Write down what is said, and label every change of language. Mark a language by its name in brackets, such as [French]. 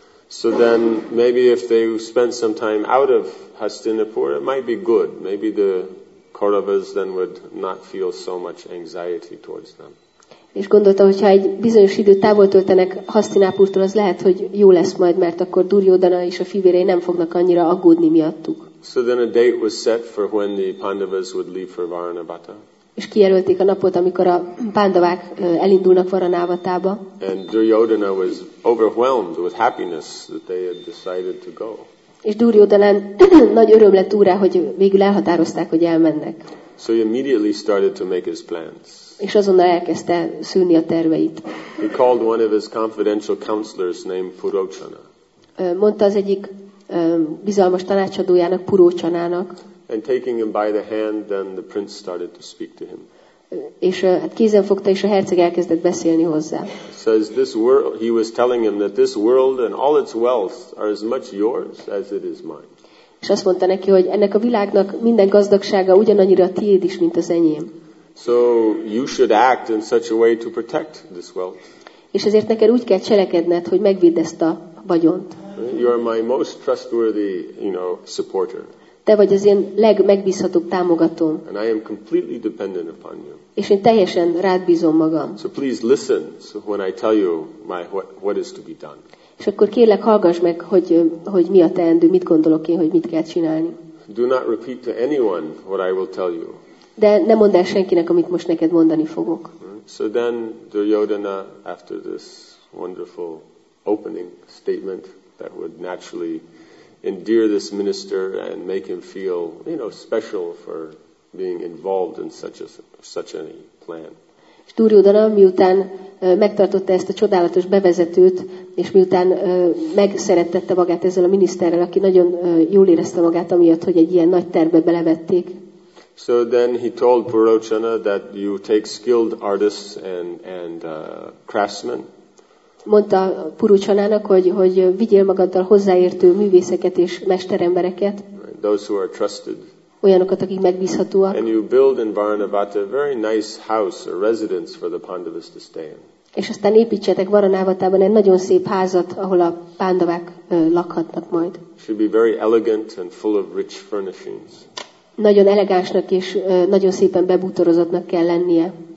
[English] So then maybe if they spent some time out of Hastinapur, it might be good. Maybe the Kauravas then would not feel so much anxiety towards them. [Hungarian] És gondolta, hogy ha egy bizonyos időt távol töltenek Hasztinápurtól, az lehet, hogy jó lesz majd, mert akkor Durjódana és a fivérei nem fognak annyira aggódni miattuk. [English] So then a date was set for when the Pandavas would leave for Varanavata. [Hungarian] És kijelölték a napot, amikor a Pándavák elindulnak Varanavatába. [English] And Duryodhana was overwhelmed with happiness that they had decided to go. [Hungarian] És Duryodhanán nagy öröm lett úrá, hogy végül elhatározták, hogy elmennek. [English] So he immediately started to make his plans. [Hungarian] És azonnal elkezdte szűrni a terveit. [English] He called one of his confidential counselors named Purocsana. [Hungarian] Mondta az egyik bizalmas tanácsadójának, Purocsanának. [English] And taking him by the hand, then the prince started to speak to him. [Hungarian] És hát kézen fogta, és a herceg elkezdett beszélni hozzá. [English] Says this world, he was telling him that this world and all its wealth are as much yours as it is mine. [Hungarian] És azt mondta neki, hogy ennek a világnak minden gazdagsága ugyanannyira a tiéd is, mint az enyém. [English] So you should act in such a way to protect this wealth. [Hungarian] És ezért neked úgy kell cselekedned, hogy megvédd ezt a vagyont. [English] You are my most trustworthy, you know, supporter. [Hungarian] Te vagy az én legmegbízhatóbb támogatóm. [English] And I am completely dependent upon you. [Hungarian] És én teljesen rád bízom magam. [English] So please listen when I tell you my what is to be done. [Hungarian] És akkor kérlek, hallgass meg, hogy mi a teendő, mit gondolok én, hogy mit kell csinálni. [English] Do not repeat to anyone what I will tell you. [Hungarian] De ne mondd el senkinek, amit most neked mondani fogok. [English] So then Duryodhana, after this wonderful opening statement that would naturally endear this minister and make him feel, you know, special for being involved in such a plan. [Hungarian] És Duryodhana, miután megtartotta ezt a csodálatos bevezetőt, és miután megszerettette magát ezzel a miniszterrel, aki nagyon jól érezte magát amiatt, hogy egy ilyen nagy tervbe belevették. [English] So then he told Purocsana that you take skilled artists and craftsmen. [Hungarian] Mondta Purocsanának, hogy vigyél magaddal hozzáértő művészeket és mesterembereket. [English] Those who are trusted. [Hungarian] Olyanokat, akik megbízhatóak. [English] And you build in Varanavata a very nice house or residence for the Pandavas to stay in. [Hungarian] És aztán építsetek Varanavatában egy nagyon szép házat, ahol a Pándavák lakhatnak majd. [English] Should be very elegant and full of rich furnishings. [Hungarian] Nagyon elegánsnak és nagyon szépen bebútorozottnak kell lennie.